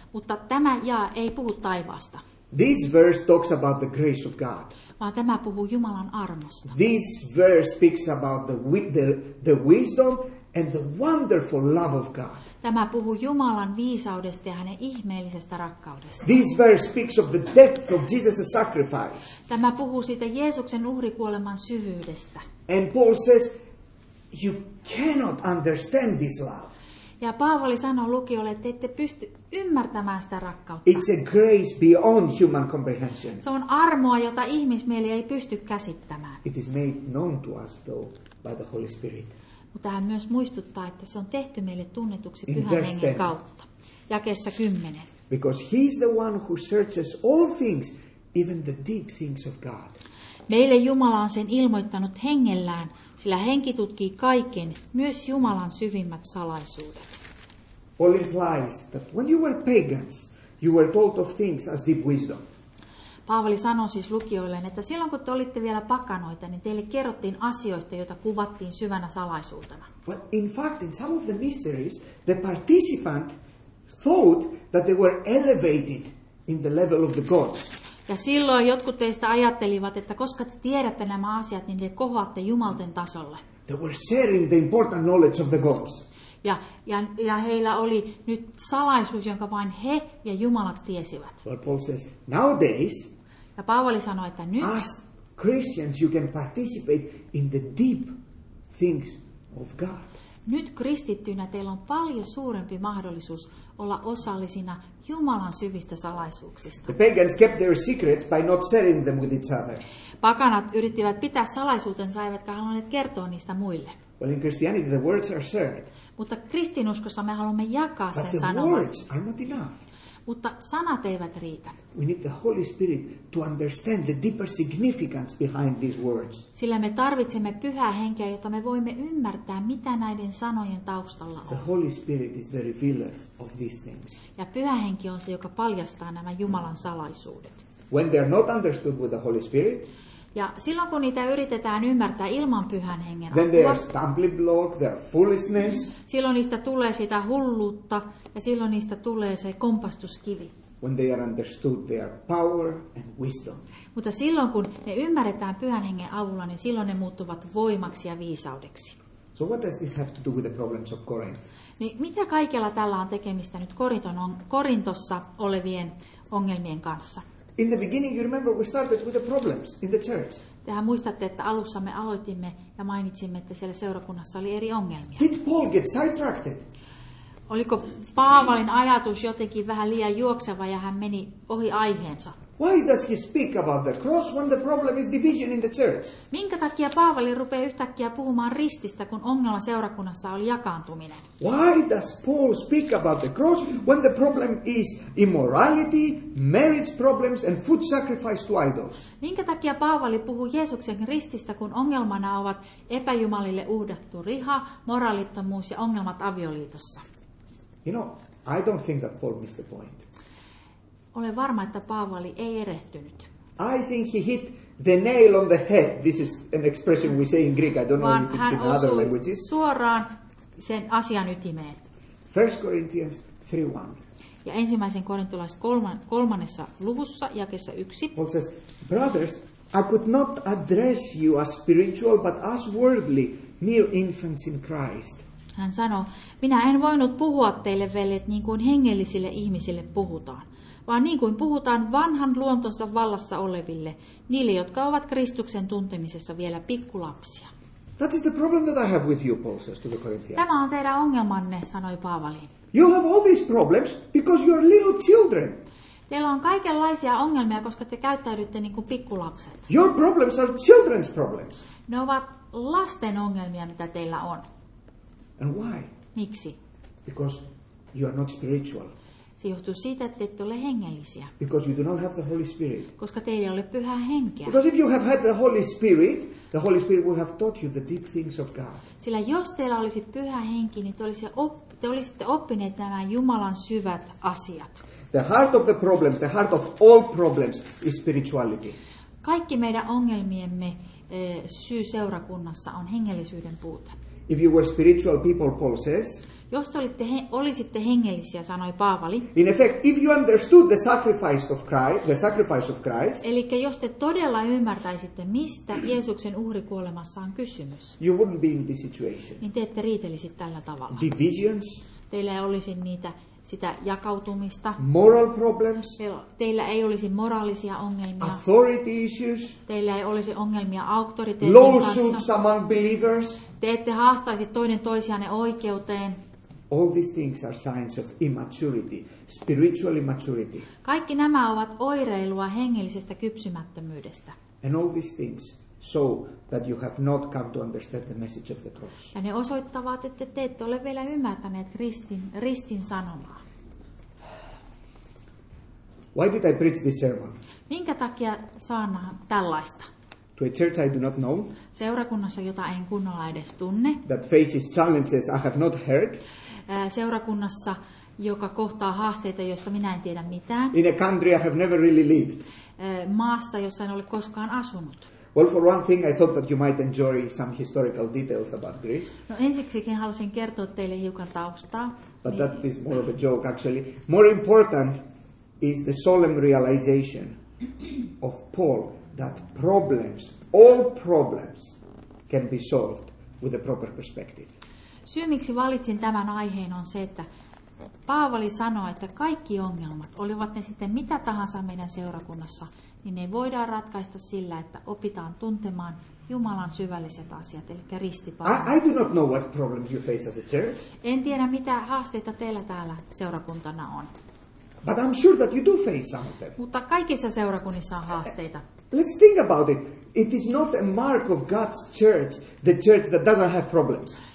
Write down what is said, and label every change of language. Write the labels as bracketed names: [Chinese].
[Finnish] Mutta tämä jae ei puhu taivaasta. [English] This verse talks about the grace of God. [Finnish] Vaan tämä puhuu Jumalan armosta. [English] This verse speaks about the wisdom and the wonderful love of God. [Finnish] Tämä puhuu Jumalan viisaudesta ja hänen ihmeellisestä rakkaudestaan. [English] This verse speaks of the depth of Jesus' sacrifice. [Finnish] Tämä puhuu siitä Jeesuksen uhrikuoleman syvyydestä. [English] And Paul says, you cannot understand this love. [Finnish] Ja Paavali sanoi lukijoille, että ette pysty ymmärtämään sitä rakkautta. [English] It's a grace beyond human comprehension. [Finnish] Se on armoa, jota ihmismieli ei pysty käsittämään. [English] It is made known to us though by the Holy Spirit. [Finnish] Mutta hän myös muistuttaa, että se on tehty meille tunnetuksi Pyhän Hengen kautta. Jakeessa 10. [English] Because he is the one who searches all things, even the deep things of God. [Finnish] Meille Jumala on sen ilmoittanut hengellään, sillä henki tutkii kaiken, myös Jumalan syvimmät salaisuudet. [English] Paul implies that when you were pagans, you were told of things as deep wisdom. [Finnish] Paavali sanoi siis lukijoilleen, että silloin kun te olitte vielä pakanoita, niin teille kerrottiin asioista, joita kuvattiin syvänä salaisuutena. [English] But in fact, in some of the mysteries, the participant thought that they were elevated in the level of the gods. [Finnish] Ja silloin jotkut teistä ajattelivat, että koska te tiedätte nämä asiat, niin te kohoatte Jumalten tasolle. [English] They were sharing the important knowledge of the gods. [Finnish] Ja heillä oli nyt salaisuus, jonka vain he ja Jumalat tiesivät. [English] Well, Paul says, nowadays, [Finnish] ja Paavali sanoi, että nyt, [English] as Christians, you can participate in the deep things of God. [Finnish] Nyt kristittyinä teillä on paljon suurempi mahdollisuus olla osallisina Jumalan syvistä salaisuuksista. [English] The pagans kept their secrets by not sharing them with each other. [Finnish] Pakanat yrittivät pitää salaisuutensa, eivätkä halunneet kertoa niistä muille. [English] Well, in Christianity, the words are shared. [Finnish] Mutta kristinuskossa me haluamme jakaa [English] but [Finnish] sen [English] the [Finnish] sanoman. [English] Words are not enough. [Finnish] Mutta sanat eivät riitä. [English] We need the Holy Spirit to understand the deeper significance behind these words. [Finnish] Sillä me tarvitsemme Pyhää Henkeä, jotta me voimme ymmärtää, mitä näiden sanojen taustalla on. [English] The Holy Spirit is the revealer of these things. [Finnish] Ja Pyhä Henki on se, joka paljastaa nämä Jumalan salaisuudet. [English] When they are not understood with the Holy Spirit, [Finnish] ja silloin kun niitä yritetään ymmärtää ilman Pyhän Hengen apua, [English] then they are stumbling block, they are foolishness. [Finnish] Silloin niistä tulee sitä hulluutta ja silloin niistä tulee se kompastuskivi. [English] When they are understood, they are power and wisdom. [Finnish] Mutta silloin kun ne ymmärretään Pyhän Hengen avulla, niin silloin ne muuttuvat voimaksi ja viisaudeksi. [English] So what does this have to do with the problems of Corinth? [Finnish] Niin mitä kaikella tällä on tekemistä nyt Korintossa olevien ongelmien kanssa? [English] In the beginning, you remember, we started with the problems in the church. [Finnish] Tehän muistatte, että alussa me aloitimme ja mainitsimme, että siellä seurakunnassa oli eri ongelmia. [English] Did Paul get sidetracked? [Finnish] Oliko Paavalin ajatus jotenkin vähän liian juokseva ja hän meni ohi aiheensa? [English] Why does he speak about the cross when the problem is division in the church? [Finnish] Minkä takia Paavali rupeaa yhtäkkiä puhumaan rististä, kun ongelma seurakunnassa oli jakaantuminen? [English] Why does Paul speak about the cross when the problem is immorality, marriage problems and food sacrifice to idols? [Finnish] Minkä takia Paavali puhuu Jeesuksen rististä, kun ongelmana ovat epäjumalille uhdattu riha, moraalittomuus ja ongelmat avioliitossa? [English] You know, I don't think that Paul missed the point. [Finnish] Olen varma, että Paavali ei erehtynyt. [English] I think he hit the nail on the head. This is an expression we say in Greek. I don't know if it's in other languages. [Finnish] Hän osui suoraan sen asian ytimeen. [English] 1 Corinthians 3:1. [Finnish] Ja ensimmäisen korintolais kolmannessa luvussa, jakessa 1. [English] Paul says, brothers, I could not address you as spiritual, but as worldly, mere infants in Christ. [Finnish] Hän sanoo, minä en voinut puhua teille, veljet, niin kuin hengellisille ihmisille puhutaan. Vaan niin kuin puhutaan vanhan luontonsa vallassa oleville, niille, jotka ovat Kristuksen tuntemisessa vielä pikkulapsia. [English] That is the problem that I have with you, Paul says to the Corinthians. [Finnish] Tämä on teidän ongelmanne, sanoi Paavali. [English] You have all these problems because you are little children. [Finnish] Teillä on kaikenlaisia ongelmia, koska te käyttäydytte niin kuin pikkulapset. [English] Your problems are children's problems. [Finnish] Ne ovat lasten ongelmia, mitä teillä on. [English] And why? [Finnish] Miksi? [English] Because you are not spiritual. [Finnish] Se johtuu siitä, että te ette ole hengellisiä. [English] Because you do not have the Holy Spirit. [Finnish] Koska teillä ei ole pyhää henkeä. [English] Because if you have had the Holy Spirit will have taught you the deep things of God. [Finnish] Sillä jos teillä olisi pyhä henki, niin te olisitte oppineet nämä Jumalan syvät asiat. [English] The heart of the problem, the heart of all problems is spirituality. [Finnish] Kaikki meidän ongelmiemme syy seurakunnassa on hengellisyyden puute. [English] If you were spiritual people, Paul says, [Finnish] jos te olisitte hengellisiä, sanoi Paavali. [English] In effect, if you understood the sacrifice of Christ, the sacrifice of Christ, [Finnish] eli jos te todella ymmärtäisitte, mistä Jeesuksen uhrikuolemassa on kysymys, [English] you wouldn't be in this situation. [Finnish] Niin te ette riitelisi tällä tavalla. [English] Divisions. [Finnish] Teillä ei olisi niitä sitä jakautumista. [English] Moral problems. [Finnish] Teillä ei olisi moraalisia ongelmia. [English] Authority issues. [Finnish] Teillä ei olisi ongelmia auktoriteetin kanssa. [English] Lawsuits among believers. [Finnish] Te ette haastaisi toinen toisianne oikeuteen. [English] All these things are signs of immaturity, spiritual immaturity. [Finnish] Kaikki nämä ovat oireilua hengellisestä kypsymättömyydestä. [English] And all these things show that you have not come to understand the message of the cross. [Finnish] Ja ne osoittavat, että te ette ole vielä ymmärtäneet ristin sanomaa. [English] Why did I preach this sermon? [Finnish] Minkä takia saanaan tällaista? [English] To a church I do not know. [Finnish] Seurakunnassa, jota en kunnolla edes tunne. [English] That faces challenges I have not heard. [Finnish] Seurakunnassa, joka kohtaa haasteita, joista minä en tiedä mitään. [English] In a country I have never really lived. [Finnish] Maassa, jossa en ole koskaan asunut. [English] Well, for one thing, I thought that you might enjoy some historical details about Greece. [Finnish] No, ensiksikin halusin kertoa teille hiukan taustaa. [English] But niin, that is more of a joke, actually. More important is the solemn realization of Paul that problems, all problems, can be solved with a proper perspective. [Finnish] Syy, miksi valitsin tämän aiheen, on se, että Paavali sanoi, että kaikki ongelmat, olivat ne sitten mitä tahansa meidän seurakunnassa, niin ne voidaan ratkaista sillä, että opitaan tuntemaan Jumalan syvälliset asiat, eli ristipaavali. [English] I do not know what problems you face as a church. [Finnish] En tiedä, mitä haasteita teillä täällä seurakuntana on. [English] But I'm sure that you do face some of them. [Finnish] Mutta kaikissa seurakunnissa on haasteita. [English] Let's think about it. It is not a mark of God's church, the church that doesn't have problems.